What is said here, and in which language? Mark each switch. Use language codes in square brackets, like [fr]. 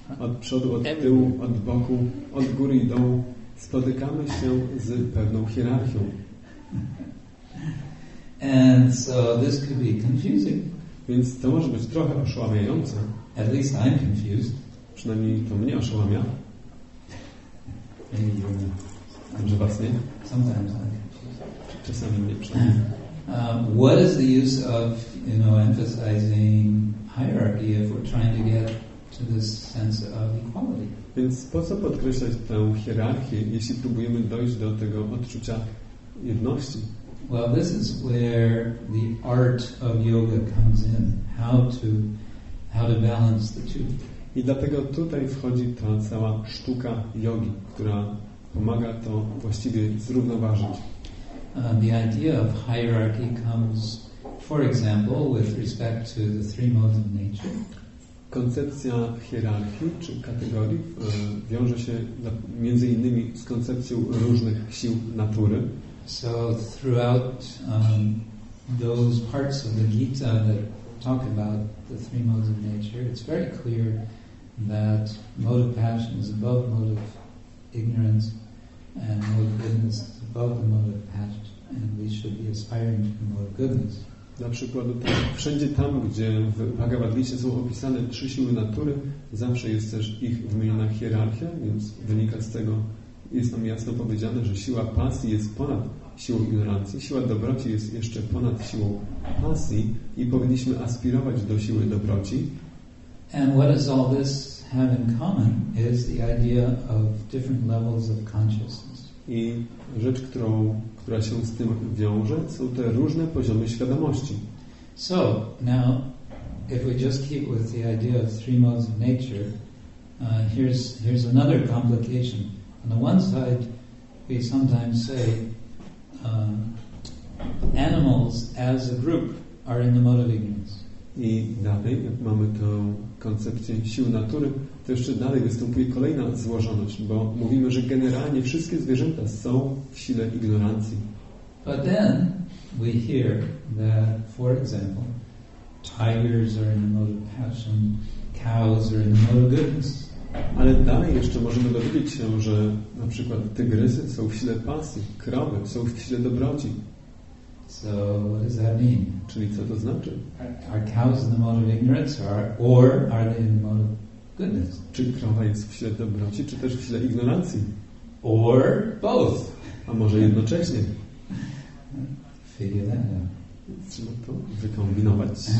[pl] od przodu, od tyłu, od boku, od góry i dołu, spotykamy się z pewną hierarchią. [en] And so this could be confusing. [pl] Więc to może być trochę oszałamiające. [en] At least I'm confused. [pl] Przynajmniej to mnie oszałamia. [en] Maybe you're not. [pl] Dobrze, was nie? [en] Sometimes I'm confused. [pl] Czasami mnie przynajmniej. [en] What is the use of, you know, emphasizing hierarchy if we're trying to get to this sense of equality? [pl] Więc po co podkreślać tę hierarchię, jeśli próbujemy dojść do tego odczucia jedności? [en] Well, this is where the art of yoga comes in. How to balance the two. [pl] I dlatego tutaj wchodzi ta cała sztuka jogi, która pomaga to właściwie zrównoważyć. [en] The idea of hierarchy comes, for example, with respect to the three modes of nature. [pl] Koncepcja hierarchii czy kategorii wiąże się między innymi z koncepcją różnych sił natury. [en] So throughout those parts of the Gita that talk about the three modes of nature, it's very clear that mode of passion is above mode of ignorance, and mode of goodness is above the mode of passion, and we should be aspiring to the mode of goodness. [pl] Na przykład wszędzie tam, gdzie w Bhagavad Gita są opisane trzy siły natury, zawsze jest też ich wymieniona hierarchia, więc wynika z tego, jest nam jasno powiedziane, że siła pasji jest ponad siłą ignorancji, siła dobroci jest jeszcze ponad siłą pasji i powinniśmy aspirować do siły dobroci. [en] And what does all this have in common is the idea of different levels of consciousness. [pl] I rzecz, która się z tym wiąże, są te różne poziomy świadomości. [en] So, now, if we just keep with the idea of three modes of nature, here's another complication. On the one side, we sometimes say animals as a group are in the mode of ignorance. [pl] I dalej, jak mamy tę koncepcję sił natury, to jeszcze dalej występuje kolejna złożoność, bo mówimy, że generalnie wszystkie zwierzęta są w sile ignorancji. [en] But then we hear that, for example, tigers are in the mode of passion, cows are in the mode of goodness. [pl] Ale dalej jeszcze możemy dowiedzieć się, że na przykład tygrysy są w sile pasji, krowy są w sile dobroci. [en] So what does that mean? [pl] Czyli co to znaczy? [en] Are cows in the mode of ignorance, or are they in the mode of goodness? [pl] Czy krowa jest w sile dobroci, czy też w sile ignorancji? [en] Or both. [pl] A może jednocześnie? [en] Figure that out. [pl] Trzeba to wykombinować.